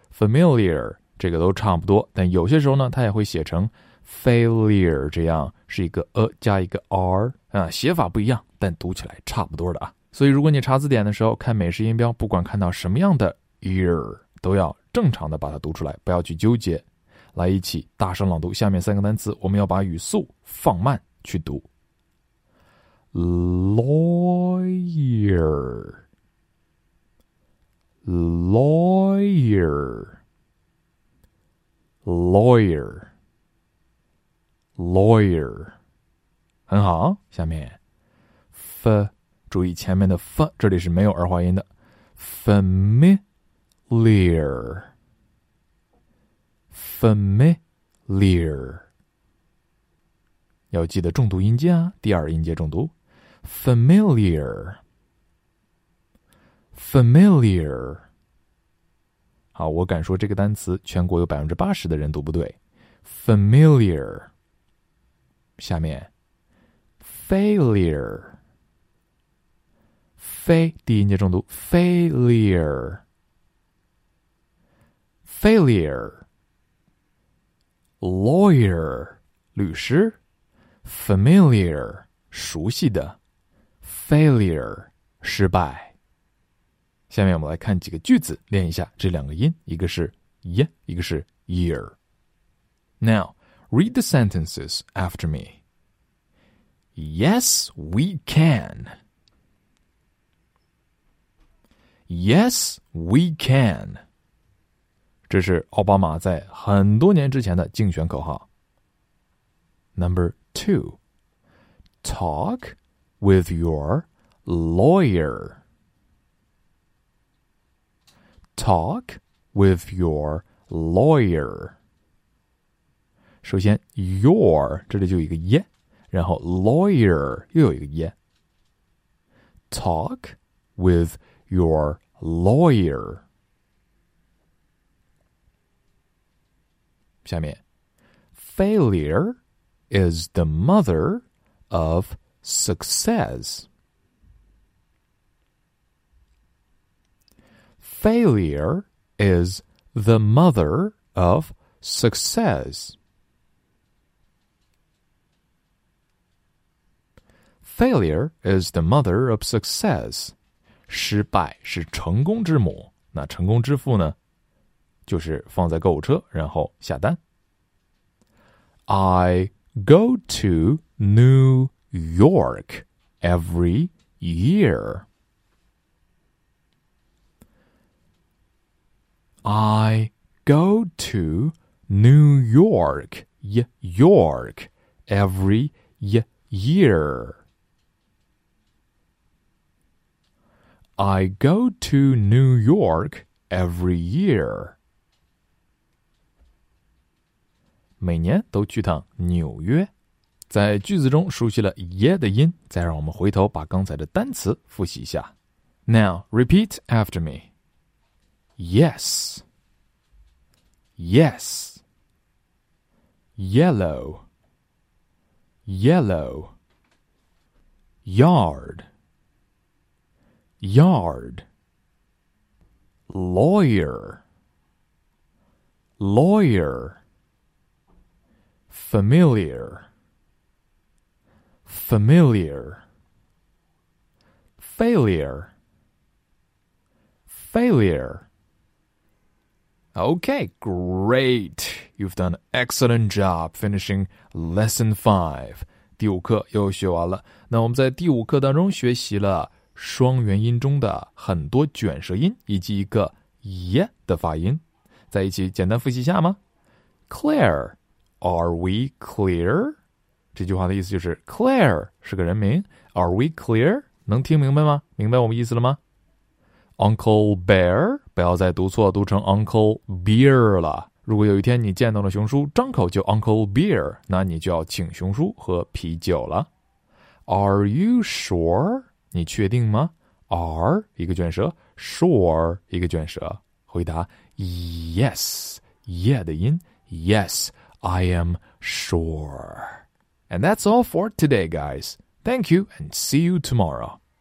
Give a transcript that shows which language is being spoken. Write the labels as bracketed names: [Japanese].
[Chinese] familiar 这个都差不多，但有些时候呢它也会写成 failure， 这样是一个 a 加一个 r、写法不一样，但读起来差不多的啊。所以如果你查字典的时候看美式音标，不管看到什么样的 ear 都要正常的把它读出来，不要去纠结。来一起大声朗读下面三个单词，我们要把语速放慢去读。 [English] Lawyer, lawyer, lawyer, lawyer. [Chinese] 很好，下面 F, 注意前面的 F, 这里是没有儿化音的。 [English] Familiar, familiar. [Chinese] 要记得重读音阶啊，第二音阶重读。 [English] Familiar, familiar. [Chinese] 好，我敢说这个单词全国有80%的人读不对。 [English] Familiar. [Chinese] 下面 [English] failure, fail [Chinese] 第一音节重读 [English] failure, failure. [Chinese] Lawyer 律师 familiar 熟悉的。 Failure, 失败。下面我们来看几个句子，练一下这两个音，一个是 y, 一个是 year. [English] Now, read the sentences after me. Yes, we can. Yes, we can. [Chinese] 这是奥巴马在很多年之前的竞选口号。 [English] Number two, talk with your lawyer. Talk with your lawyer. [Chinese] 首先 your 这里就一个 ye， 然后 lawyer 又有一个 ye。 [English] Talk with your lawyer. [Chinese] 下面 [English] failure is the mother of success. Failure is the mother of success. Failure is the mother of success. [Chinese] 失败是成功之母。那成功之父呢？就是放在购物车，然后下单。 [English] I go to New York every year. I go to New York, York, every year. I go to New York every year. [Chinese] 每年都去趟纽约。在句子中熟悉了 ye 的音，再让我们回头把刚才的单词复习一下。 [English] Now, repeat after me. Yes, yes, yellow, yellow, yard, yard, lawyer, lawyer, familiar, familiar, failure, failure. Okay, great. You've done an excellent job finishing lesson 5. [Chinese] 第五课又学完了。那我们在第五课当中学习了双元音中的很多卷舌音以及一个 ye 的发音。在一起简单复习一下吗？ [English] Claire, are we clear? [Chinese] 这句话的意思就是 Claire 是个人名。 [English] Are we clear? [Chinese] 能听明白吗？明白我们意思了吗？ Uncle Bear, 不要再读错，读成 Uncle Beer 了。如果有一天你见到了熊叔，张口就 Uncle Beer, 那你就要请熊叔喝啤酒了。 [English] Are you sure? [Chinese] 你确定吗？ Are, 一个卷舌， sure, 一个卷舌。回答 [English] yes, yeah [Chinese] 的音， [English] yes, I am sure. And that's all for today, guys. Thank you and see you tomorrow.